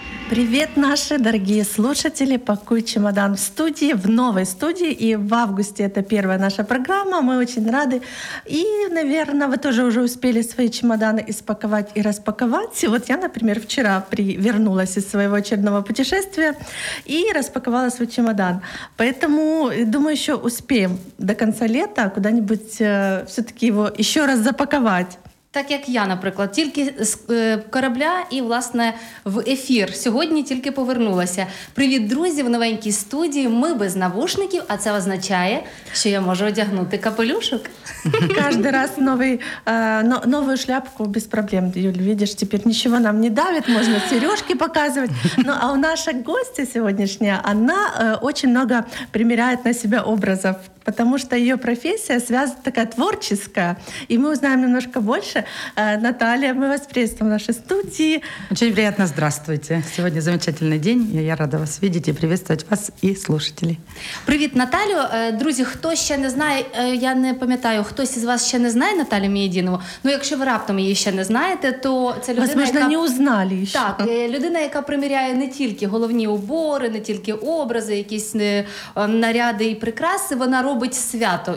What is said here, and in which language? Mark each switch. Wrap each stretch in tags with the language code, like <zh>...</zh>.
<ru>Привет, наши дорогие слушатели, пакуй чемодан в студии, в новой студии, и в августе это первая наша программа, мы очень рады, и, наверное, вы тоже уже успели свои чемоданы испаковать и распаковать, вот я, например, вчера вернулась из своего очередного путешествия и распаковала свой чемодан, поэтому, думаю, еще успеем до конца лета куда-нибудь все-таки его еще раз запаковать.</ru> <uk>Так, як я, наприклад, тільки з корабля і, власне, в ефір. Сьогодні тільки повернулася. Привіт, друзі, в новенькій студії. Ми без навушників, а це означає, що я можу одягнути капелюшок. Кожен раз нову шляпку без проблем. Юль, бачиш, тепер нічого нам не давить, можна сережки показувати. Ну, а у наша гостя сьогоднішня, вона дуже багато приміряє на себе образів.</uk> <ru>Потому что ее профессия связана такая творческая. И мы узнаем немножко больше. Наталья, мы вас приветствуем в нашей студии. Очень приятно. Здравствуйте. Сегодня замечательный день. Я рада вас видеть и приветствовать вас и слушателей.</ru> <uk>Привет, Наталю. Друзі, хто ще не знає, я не пам'ятаю, хтось із вас ще не знає Наталю Міядінову? Ну, якщо ви раптом її ще не знаєте, то це людина,</uk> <ru>возможно,</ru> <uk>яка...</uk> <ru>не узнали</ru> <uk>ще. Так, людина, яка приміряє не тільки головні убори, не тільки образи, якісь наряди і прикраси, вона робить свято.</uk>